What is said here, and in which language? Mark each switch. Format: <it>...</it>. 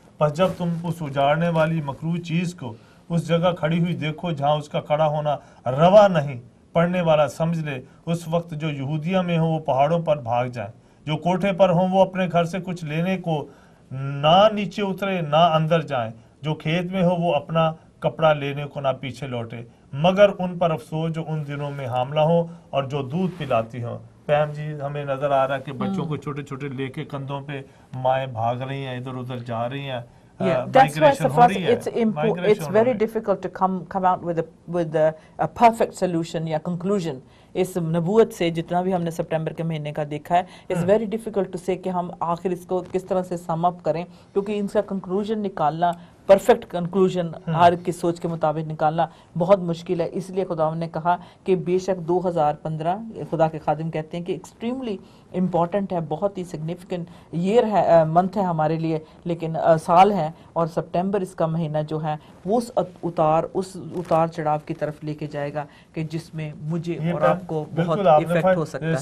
<ur>پس جب تم اس اجاڑنے والی مکروہ چیز کو اس جگہ کھڑی ہوئی دیکھو جہاں اس کا کھڑا ہونا روا نہیں, پڑھنے والا سمجھ لے اس وقت جو یہودیہ میں ہو وہ پہاڑوں پر بھاگ جائیں, جو کوٹھے پر ہوں وہ اپنے گھر سے کچھ لینے کو نہ نیچے اترے نہ اندر جائیں, جو کھیت میں ہو وہ اپنا کپڑا لینے کو نہ پیچھے لوٹے, مگر ان پر افسوس جو ان دنوں میں حاملہ ہوں اور جو دودھ پلاتی ہوں. پیم جی, ہمیں نظر آ رہا ہے کہ بچوں کو چھوٹے چھوٹے لے کے کندھوں پہ مائیں بھاگ رہی ہیں, ادھر ادھر جا رہی ہیں.</ur> <en>That's why Sarfraz, it's very difficult to come out with a perfect solution or conclusion.</en> <ur>اس نبوت سے جتنا بھی ہم نے سپٹمبر کے مہینے کا دیکھا ہے,</ur> <en>it's very difficult to say</en> <ur>کہ ہم آخر اس کو کس طرح سے سم اپ کریں, کیونکہ ان کا کنکلوژن نکالنا, پرفیکٹ کنکلوژن ہر کی سوچ کے مطابق نکالنا بہت مشکل ہے. اس لیے خدا نے کہا کہ بے شک 2015 خدا کے خادم کہتے ہیں کہ</ur> <en>extremely important</en> <ur>ہے, بہت ہی</ur> <en>significant year</en> <ur>ہے, منتھ ہے ہمارے لیے, لیکن سال ہے, اور سپٹمبر اس کا مہینہ جو ہے وہ اس اتار چڑھاؤ کی طرف لے کے جائے گا کہ جس میں مجھے اور آپ کو بہت افیکٹ ہو سکتا ہے.</ur>